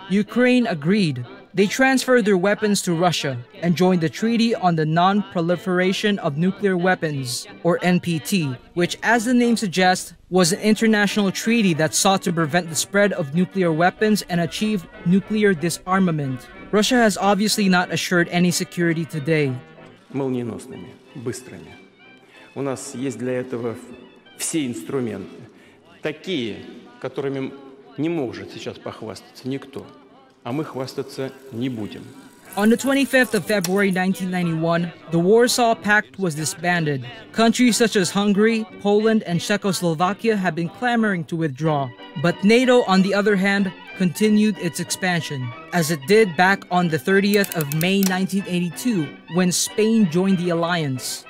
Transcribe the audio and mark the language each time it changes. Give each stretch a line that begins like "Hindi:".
English: Ukraine agreed. They transferred their weapons to Russia and joined the Treaty on the Non-Proliferation of Nuclear Weapons, or NPT, which, as the name suggests, was an international treaty that sought to prevent the spread of nuclear weapons and achieve nuclear disarmament. Russia has obviously not assured any security today.
Russian: Молниеносными, быстрыми. У нас есть для этого все инструменты, такие, которыми не может сейчас похвастаться никто. А мы хвастаться не будем.
English: On the 25th of February 1991, the Warsaw Pact was disbanded. Countries such as Hungary, Poland, and Czechoslovakia had been clamoring to withdraw. But NATO, on the other hand, continued its expansion, as it did back on the 30th of May 1982, when Spain joined the alliance.